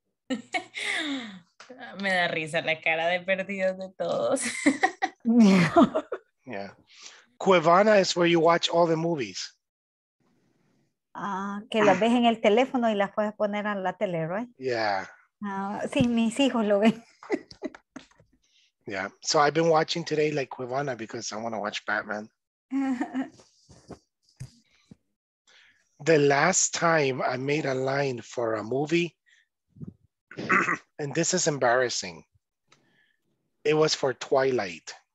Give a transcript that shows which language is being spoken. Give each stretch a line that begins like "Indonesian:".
Spanish: Me da risa la cara de perdidos de todos.
English: Yeah. Cuevana is where you watch all the movies.
Spanish: Que las ves en el teléfono y las puedes poner a la tele, right?
English: Yeah.
Spanish: Sí, mis hijos lo ven.
English: Yeah. So I've been watching today like Cuevana because I want to watch Batman. The last time I made a line for a movie, and this is embarrassing, it was for Twilight.